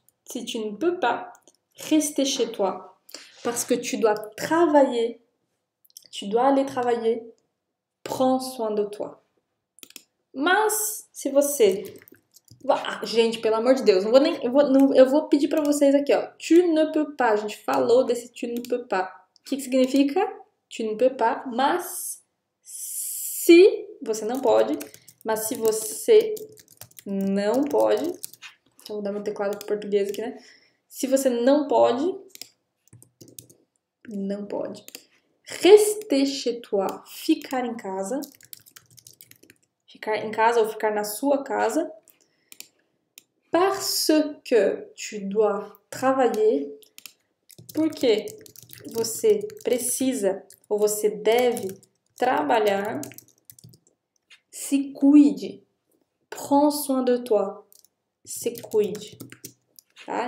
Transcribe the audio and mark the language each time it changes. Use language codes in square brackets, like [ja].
[fr] si tu ne peux pas rester chez toi parce que tu dois travailler, tu dois aller travailler, prends soin de toi. [pt] Mas se você. Ah, gente, pelo amor de Deus, não vou nem, eu vou, não, eu vou pedir para vocês aqui, ó. [fr] Tu ne peux pas, [pt] a gente falou desse [fr] tu ne peux pas. [pt] O que que significa? [fr] Tu ne peux pas, [pt] mas se você não pode, mas se você não pode, vou dar meu teclado para português aqui, né? Se você não pode, [fr] rester chez toi, [pt] ficar em casa ou ficar na sua casa, [fr] parce que tu dois travailler, [pt] porque você precisa ou você deve trabalhar, se cuide, [fr] prends soin de toi, [pt] se cuide. Tá?